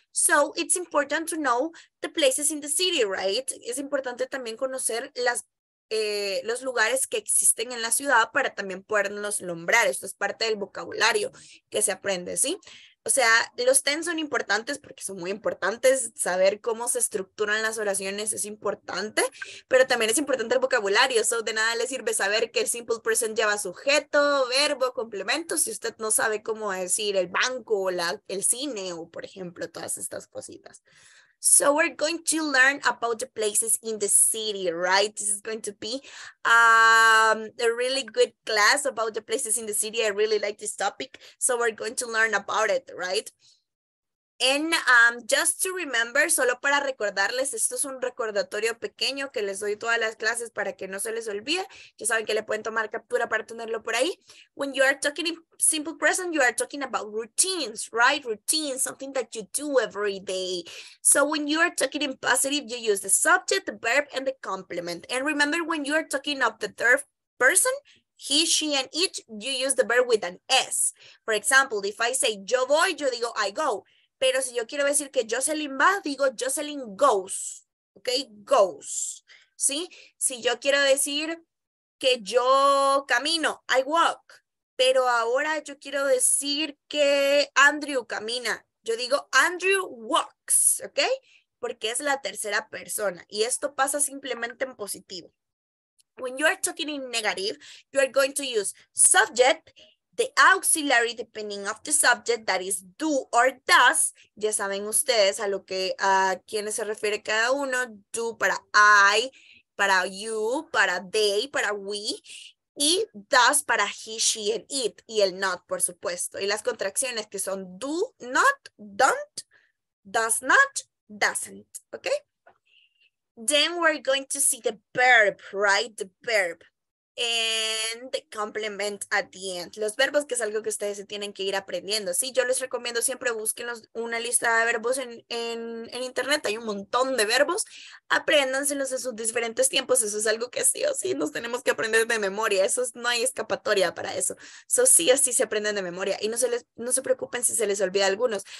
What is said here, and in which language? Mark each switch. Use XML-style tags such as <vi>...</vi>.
<en>So it's important to know the places in the city, right?</en> <es>Es importante también conocer los lugares que existen en la ciudad para también poderlos nombrar. Esto es parte del vocabulario que se aprende, ¿sí? O sea, los tenses son importantes porque son muy importantes. Saber cómo se estructuran las oraciones es importante, pero también es importante el vocabulario. So, de nada le sirve saber que el simple present lleva sujeto, verbo, complemento, si usted no sabe cómo decir el banco o el cine o, por ejemplo, todas estas cositas.</es> <en>So we're going to learn about the places in the city, right? This is going to be a really good class about the places in the city. I really like this topic. So we're going to learn about it, right? And just to remember,</en> <es>solo para recordarles, esto es un recordatorio pequeño que les doy todas las clases para que no se les olvide. Ya saben que le pueden tomar captura para tenerlo por ahí.</es> <en>When you are talking in simple present, you are talking about routines, right? Routines, something that you do every day. So when you are talking in positive, you use the subject, the verb, and the complement. And remember, when you are talking of the third person, he, she, and it, you use the verb with an S. For example, if I say,</en> <es>yo voy, yo digo,</es> <en>I go.</en> <es>Pero si yo quiero decir que Jocelyn va, digo</es> <en>Jocelyn goes,</en> <es>¿ok? Goes, ¿sí? Si yo quiero decir que yo camino,</es> <en>I walk,</en> <es>pero ahora yo quiero decir que Andrew camina, yo digo</es> <en>Andrew walks,</en> <es>¿ok? Porque es la tercera persona y esto pasa simplemente en positivo.</es> <en>When you are talking in negative, you are going to use subject, the auxiliary depending of the subject, that is do or does.</en> <es>Ya saben ustedes a lo que a quienes se refiere cada uno. Do para I, para you, para they, para we. Y does para he, she, and it. Y el not, por supuesto. Y las contracciones que son</es> <en>do not, don't, does not, doesn't, okay? Then we're going to see the verb, right? The verb and the complement at the end.</en> <es>Los verbos, que es algo que ustedes se tienen que ir aprendiendo, ¿sí? Yo les recomiendo siempre búsquenlos una lista de verbos en internet. Hay un montón de verbos. Apréndanselos en sus diferentes tiempos. Eso es algo que sí o sí nos tenemos que aprender de memoria. Eso es, no hay escapatoria para eso. Eso sí o sí se aprenden de memoria. Y no se preocupen si se les olvida algunos.</es>